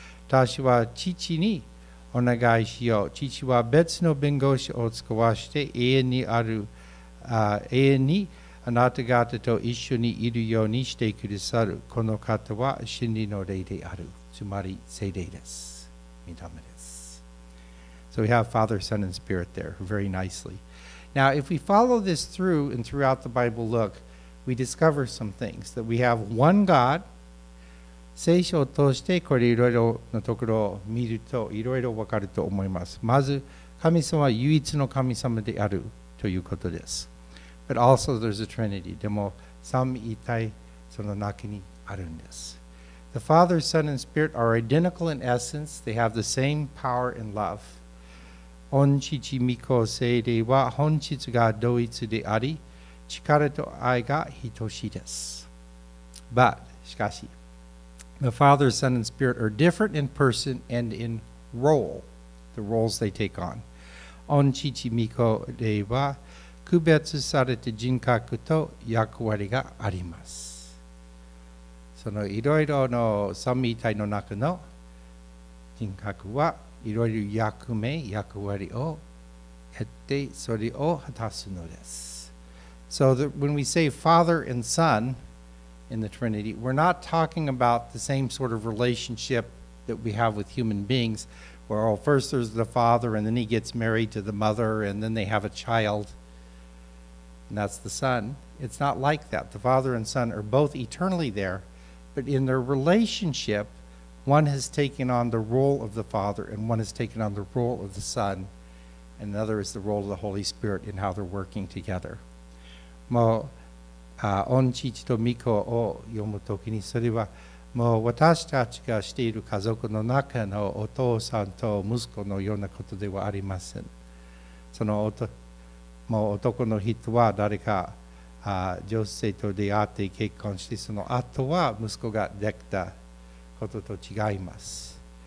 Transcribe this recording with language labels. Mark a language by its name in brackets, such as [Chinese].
[Japanese] 私は父にお願いしよう。父は別の弁護士を使わして永遠にあなた方と一緒にいるようにしてくださる。この方は真理の霊である。つまり聖霊です。御霊です。 [English] So we have Father, Son, and Spirit there very nicely. Now, if we follow this through and throughout the Bible look,We discover some things that we have one God. [Japanese] 聖書を通してこれいろいろのところを見るといろいろわかると思います。まず神様は唯一の神様であるということです。 [English] But also there's a Trinity. [Japanese] でも三位一体その中にあるんです。 [English] The Father, Son, and Spirit are identical in essence. They have the same power and love. [Japanese] 御父、御子、聖霊は本質が同一であり。力と愛が等しいです。 [English] But, [Japanese] しかし、 [English] the Father, Son, and Spirit are different in person and in role, the roles they take on. [Japanese] 御父御子では、区別された人格と役割があります。そのいろいろの三位一体の中の人格は、いろいろ役目、役割を経て、それを果たすのです。 [English] So that when we say Father and Son in the Trinity, we're not talking about the same sort of relationship that we have with human beings, where oh, first there's the Father, and then he gets married to the mother, and then they have a child, and that's the Son. It's not like that. The Father and Son are both eternally there, but in their relationship, One has taken on the role of the Father, and one has taken on the role of the Son, and another is the role of the Holy Spirit in how they're working together. [Japanese] もう、御父と御子を読むときに、それはもう私たちがしている家族の中のお父さんと息子のようなことではありません。そのもう男の人は誰か女性と出会って結婚して、その後は息子ができたことと違います。